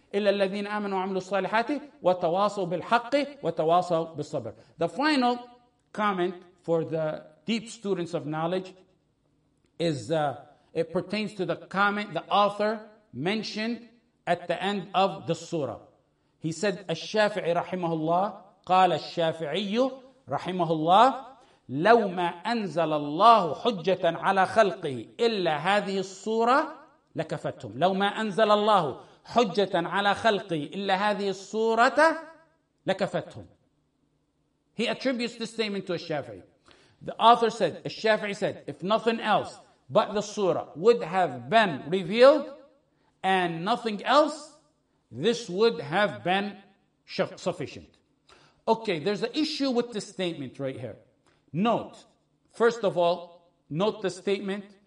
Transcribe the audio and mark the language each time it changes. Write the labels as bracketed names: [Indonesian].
[Arabic] إِلَّا الَّذِينَ آمَنُوا وَعَمِلُوا الصَّالِحَاتِ وَتَوَاصَوْا بِالْحَقِّ وَتَوَاصَوْا بِالصَّبْرِ. [English] The final comment for the deep students of knowledge is it pertains to the comment the author mentioned at the end of the surah. He said, [Arabic] الشافعي رحمه الله قال الشافعي رحمه الله لو ما أنزل الله حجة على خلقه إلا هذه الصورة لكفتهم. لو ما أنزل الله حجة على خلقه إلا هذه الصورة لكفتهم. [English] He attributes this statement to الشافعي. The author said, الشافعي said, if nothing else but the surah would have been revealed and nothing else, this would have been sufficient. Okay, there's an issue with this statement right here. Note, first of all, note the statement.